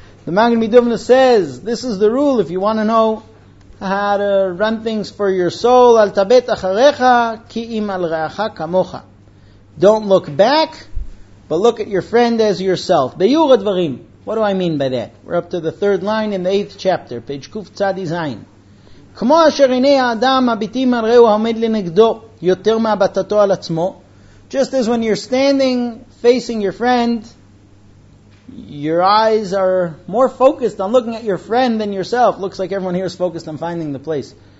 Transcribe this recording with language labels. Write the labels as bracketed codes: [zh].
[en] The Magen Midovna says, this is the rule. If you want to know how to run things for your soul, [he] al tabet acharecha ki im al re'acha kamocha. [en] Don't look back, but look at your friend as yourself. [he] Beyur advarim. [en] What do I mean by that? We're up to the third line in the eighth chapter, page Kuf Tzadi Zayin. [he] כמו אשר עיני האדם מביטים על רעהו העומד לנגדו יותר מהבטתו על עצמו. [en] Just as when you're standing facing your friend, your eyes are more focused on looking at your friend than yourself. Looks like everyone here is focused on finding the place.